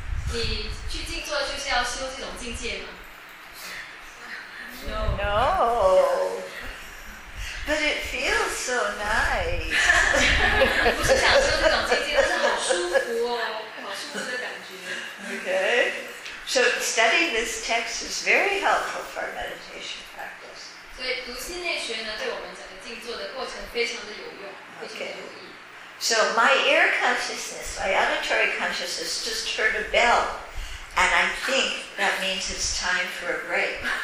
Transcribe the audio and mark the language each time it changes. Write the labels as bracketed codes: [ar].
[zh] 你去静坐就是要修这种境界吗? [en] No. No. But it feels so nice. [zh] 不是想修这种境界，但是好舒服哦，好舒服的感觉。 [en] Okay. So studying this text is very helpful for our meditation practice. [zh] 所以读心内学呢，对我们整个静坐的过程非常的有用，非常有益。 [en] Okay. So my ear consciousness, my auditory consciousness, just heard a bell, and I think that means it's time for a break.